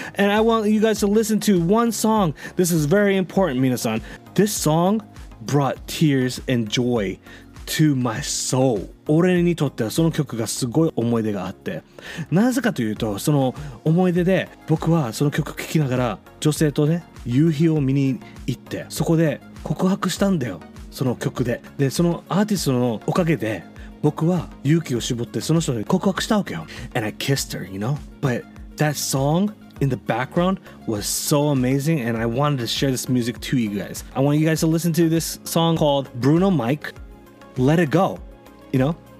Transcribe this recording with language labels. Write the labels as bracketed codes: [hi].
[en] And I want you guys to listen to one song. This is very important, 皆さん. This song brought tears and joy to my soul. [ja] 俺にとってはその曲がすごい思い出があって、なぜかというとその思い出で僕はその曲聴きながら女性とね夕日を見に行って、そこで告白したんだよ、その曲で。でそのアーティストのおかげで僕は勇気を絞ってその人に告白したわけよ。 [en] And I kissed her, you know. But that song in the background was so amazing, and I wanted to share this music to you guys. I want you guys to listen to this song called Bruno Mike, Let It GoYou know?